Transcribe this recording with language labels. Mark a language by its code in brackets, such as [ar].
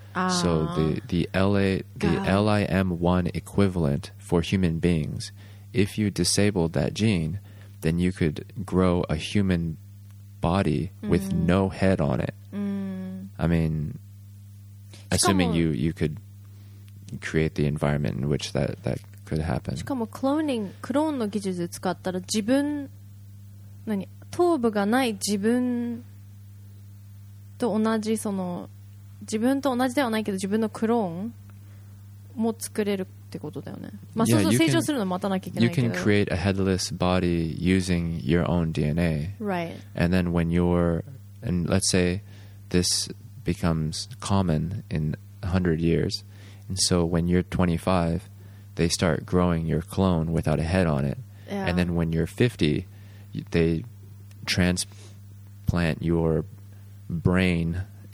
[en] So LIM1 equivalent for human beings, if you disabled that gene, then you could grow a human body with no head on it. I mean, assuming you could create the environment in which that could happen. [ja] しかもクローンの技術使ったら自分何頭部がない自分と同じその自分と同じではないけど自分のクローンも作れるってことだよね。まあ、 [en] yeah, [ja] そうそう成長するの待たなきゃいけないけど。 [en] You can create a headless body using your own DNA. Right. And then when you're and let's say this becomes common in 100 years, and so when you're 25, they start growing your clone without a head on it. Yeah. And then when you're 50, they transplant your brain.